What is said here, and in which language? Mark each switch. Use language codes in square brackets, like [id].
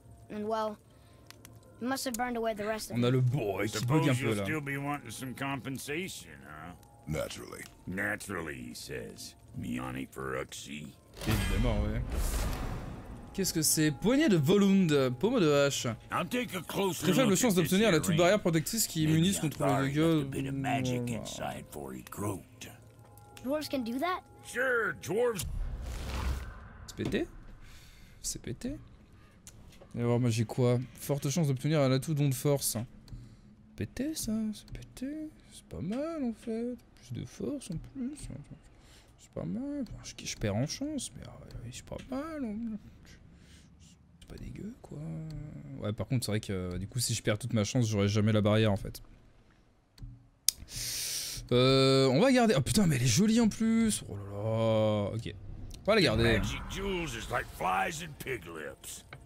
[en] And well, it must have burned away the rest of it. [fr] On a le boy qui bug un peu là. [en] Still be wanting some compensation, huh? Naturally. Naturally, he says. Miani Peruxi. [fr] Évidemment, ouais. Qu'est-ce que c'est? Poignée de Volund, pommeau de hache. [en] I'll take a closer [fr] très faible chance d'obtenir la toute barrière protectrice qui immunise contre le dégâts. [en] Dwarves can do that? Sure, dwarves. [fr] C'est pété. Et alors, moi j'ai quoi? Forte chance d'obtenir un atout d'onde force. Pété ça, c'est pété. C'est pas mal en fait. Plus de force en plus. C'est pas mal. Enfin, je perds en chance, mais ouais, c'est pas mal. C'est pas dégueu quoi. Ouais, par contre, c'est vrai que du coup, si je perds toute ma chance, j'aurai jamais la barrière en fait. On va garder. Oh putain, mais elle est jolie en plus. Oh là là. Ok. On va la garder. [en] Magic jewels is like flies and pig lips.